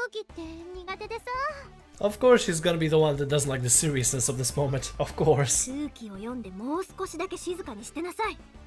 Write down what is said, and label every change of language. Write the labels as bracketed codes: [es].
[ja] ただあなたへの仕返しのためにここに立っていると思ったら大間違いよ。私はね、こんな私でも私を信じてくれている人のためにここにいるのよ。アイちゃん、アイちゃん、そろそろ喋っていいかな。私どうもシリアスで真面目な空気って苦手でさ。 [en] Of course, she's gonna be the one that doesn't like the seriousness of this moment. Of course. [ja] 空気を読んでもう少しだけ静かにしてなさい。